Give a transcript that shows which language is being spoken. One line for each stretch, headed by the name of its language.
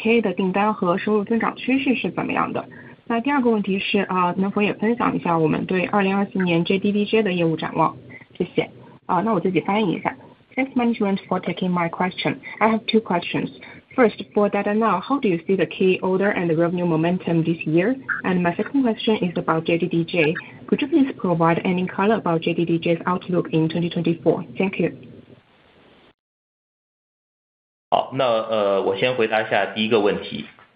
Chinese: 第一个问题是今年达达闹这边来自KA的订单和收入增长趋势是怎么样的？那第二个问题是能否也分享一下我们对2024年JDDJ的业务展望？谢谢。那我自己翻译一下。
English: Thanks management for taking my question. I have two questions. First, for Dada Now, how do you see the key order and the revenue momentum this year? And my second question is about JDDJ. Could you please provide any color about JDDJ's outlook in 2024? Thank you.
Chinese: 好，那我先回答一下第一个问题。